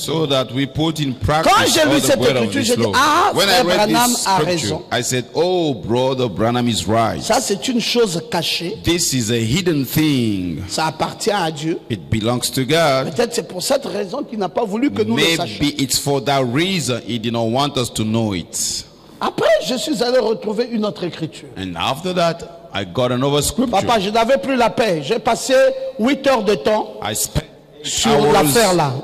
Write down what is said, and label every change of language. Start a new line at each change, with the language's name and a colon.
English: so that we put in practice.
French: Quand j'ai lu cette écriture, j'ai dit, ah,
English: when
French: frère Branham a raison.
English: I said, oh, brother Branham is right.
French: Ça, c'est une chose cachée.
English: This is a hidden thing.
French: Ça appartient à Dieu.
English: It belongs to God.
French: Peut-être c'est pour cette raison qu'il n'a pas voulu que nous
English: maybe
French: le sachions.
English: Maybe it's for that reason he did not want us to know it.
French: Après, je suis allé retrouver une autre écriture.
English: And after that, I got another scripture.
French: Papa, je n'avais plus la paix. J'ai passé 8 heures de temps sur l'affaire là.